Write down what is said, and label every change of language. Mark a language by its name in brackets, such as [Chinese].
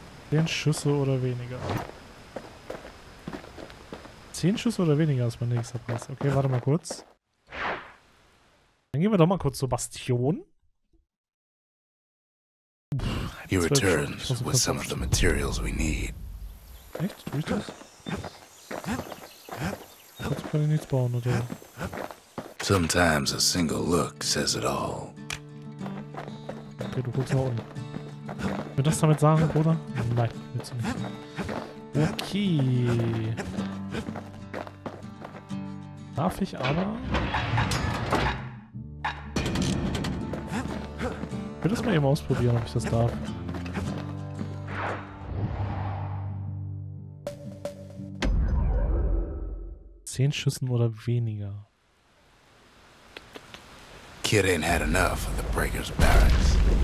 [German] Den Schüsse oder weniger. 10 Schüsse oder weniger ist mein nächster Preis. Okay, warte mal kurz. Dann gehen wir doch mal kurz zur Bastion. [English] He returns with some of the materials we need. [German] Echt? Tue ich das? Jetzt kann ich nichts bauen, oder? [English] Sometimes a single look says it all. [German] Okay, du guckst mal unten. Will das damit sagen, Bruder? Nein, willst du nicht. Okay. Darf ich aber. Ich will das mal eben ausprobieren, ob ich das darf. Zehn Schüssen oder weniger. [English] Kid ain't had enough of the Breaker's Barracks.